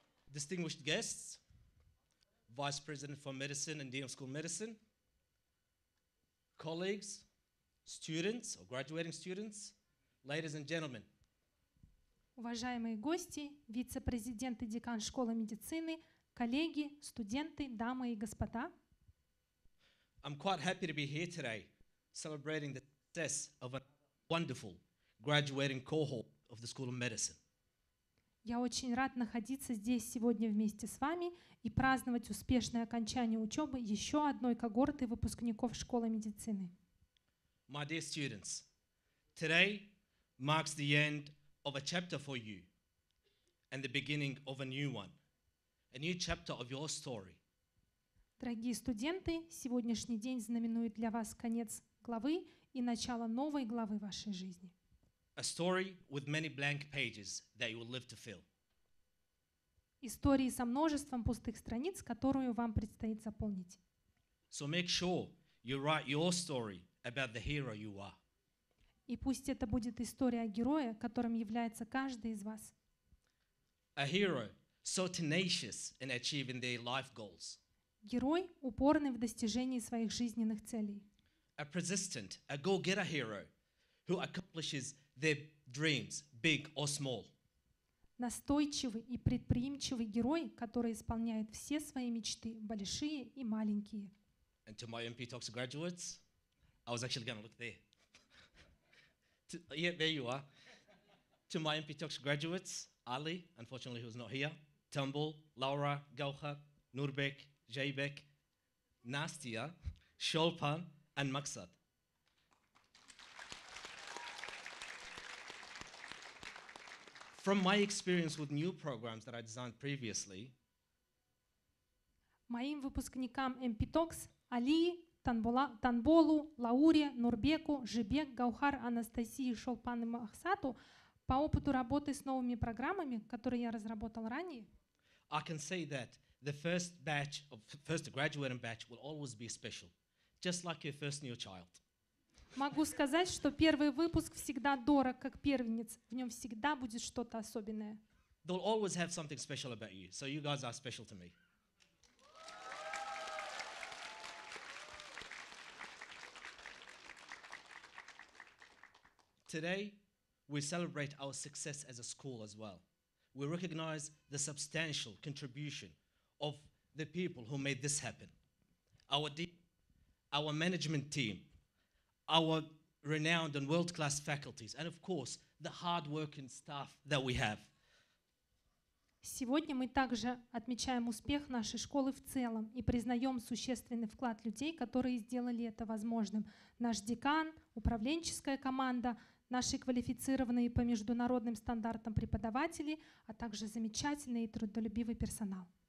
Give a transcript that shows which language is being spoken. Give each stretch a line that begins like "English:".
English: Distinguished guests, Vice President for Medicine and Dean of School Medicine, colleagues, students or graduating students, ladies and gentlemen.
Russian: Уважаемые гости, вице-президент и декан школы медицины, коллеги, студенты, дамы и господа.
English: I'm quite happy to be here today celebrating the success of a wonderful graduating cohort of the School of Medicine.
Russian: Я очень рад находиться здесь сегодня вместе с вами и праздновать успешное окончание учебы еще одной когорты выпускников школы медицины.
English: My dear students, today marks the end of a chapter for you and the beginning of a new chapter of your story.
Russian: Дорогие студенты, сегодняшний день знаменует для вас конец главы и начало новой главы вашей жизни.
English: A story with many blank pages that you will live to fill.
Russian: Истории со множеством пустых страниц, которую вам предстоит заполнить.
English: So make sure you write your story about the hero you are.
Russian: И пусть это будет история о герое, которым является каждый из вас.
English: A hero so tenacious in achieving their life goals.
Russian: Герой, упорный в достижении своих жизненных целей.
English: A persistent, a go-getter hero who accomplishes their dreams, big or small.
Russian: Настойчивый и предприимчивый герой, который исполняет все свои мечты, большие и маленькие.
English: And to my MP Talks graduates, I was actually going to look there. there you are. To my MP Talks graduates, Ali, unfortunately he was not here, Tumble, Laura, Gauha, Nurbek, Jaybek, Nastia, Sholpan, and Maksad. From my experience with new programs that I designed previously,
Russian: моим выпускникам MPTOCS, Али, Танболу, Лауре, Нурбеку, Жибек, Гаухар, Анастасии, Шолпан и Махсату, по опыту работы с новыми программами, которые я разработал ранее,
English: I can say that the first batch, first graduating batch will always be special, just like your first new child.
Russian: Могу сказать, что первый выпуск всегда дорог, как первенец. В нем всегда будет что-то особенное.
English: They'll always have something special about you, so you guys are special to me. Today we celebrate our success as a school as well. We recognize the substantial contribution of the people who made this happen. Our management team, our renowned and world-class faculties, and of course, the hard-working staff that we have.
Russian: Сегодня мы также отмечаем успех нашей школы в целом и признаем существенный вклад людей, которые сделали это возможным. Наш декан, управленческая команда, наши квалифицированные по международным стандартам преподаватели, а также замечательный и трудолюбивый персонал.